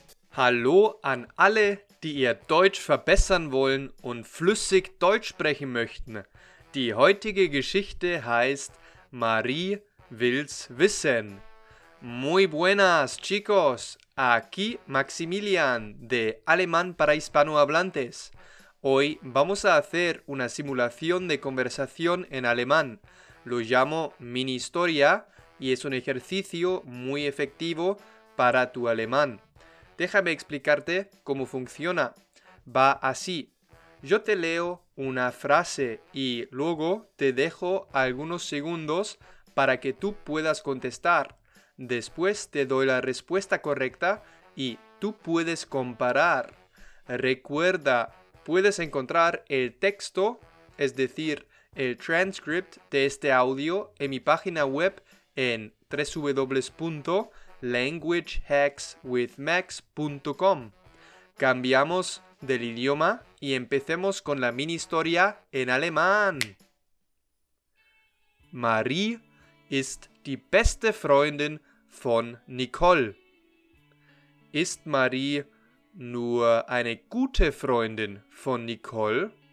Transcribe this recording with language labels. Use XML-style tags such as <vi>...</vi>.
<de>Hallo an alle, die ihr Deutsch verbessern wollen und flüssig Deutsch sprechen möchten. Die heutige Geschichte heißt Marie will's wissen.</de> <es>Muy buenas, chicos. Aquí Maximilian de Alemán para Hispanohablantes. Hoy vamos a hacer una simulación de conversación en alemán. Lo llamo mini historia y es un ejercicio muy efectivo para tu alemán. Déjame explicarte cómo funciona. Va así. Yo te leo una frase y luego te dejo algunos segundos para que tú puedas contestar. Después te doy la respuesta correcta y tú puedes comparar. Recuerda, puedes encontrar el texto, es decir, el transcript de este audio en mi página web en www.languagehackswithmax.com. Cambiamos del idioma y empecemos con la mini historia en alemán.</es> <de>Marie ist die beste Freundin von Nicole. Ist Marie nur eine gute Freundin von Nicole?</de>